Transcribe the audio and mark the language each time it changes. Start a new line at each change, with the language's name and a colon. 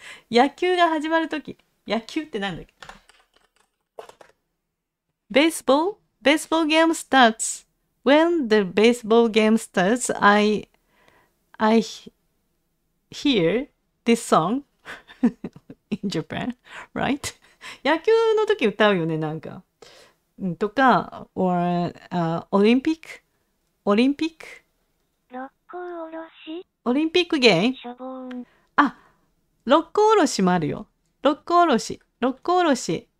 Japanese: 野球が始まる時、野球ってなんだっけ。
English: Baseball game starts. When the baseball game starts, I hear this song in Japan, right?
Japanese: 野球の時歌うよね、なんか。
English: とか、or Olympic? Olympic?
Japanese: ロックおろし？
English: Olympic game?
Japanese: しょぼん。あ、ロックおろしもあるよ。ロックおろし。ロックおろし。